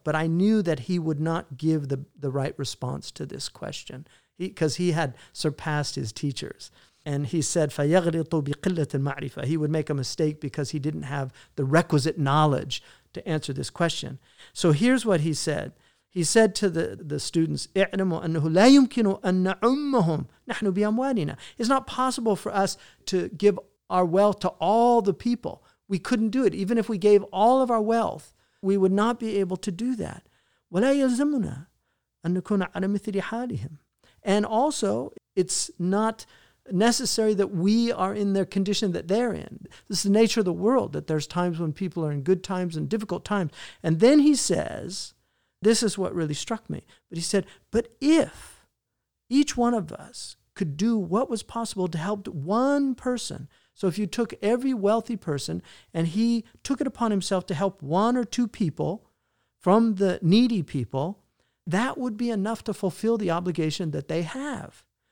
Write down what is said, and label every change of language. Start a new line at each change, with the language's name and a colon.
English: But I knew that he would not give the right response to this question, because he had surpassed his teachers. And he said,
Arabic: فَيَغْلِطُ بِقِلَّةِ الْمَعْرِفَةِ.
English: He would make a mistake because he didn't have the requisite knowledge to answer this question. So here's what he said. He said to the students,
Arabic: اعلموا أنه لا يمكن أن نعمهم نحن بأموالنا.
English: It's not possible for us to give our wealth to all the people. We couldn't do it. Even if we gave all of our wealth, we would not be able to do that.
Arabic: ولا يلزمنا أن نكون على مثل حالهم.
English: And also, it's not necessary that we are in their condition that they're in. This is the nature of the world, that there's times when people are in good times and difficult times. And then he says, this is what really struck me, but he said, but if each one of us could do what was possible to help one person, so if you took every wealthy person and he took it upon himself to help one or two people from the needy people, that would be enough to fulfill the obligation that they have.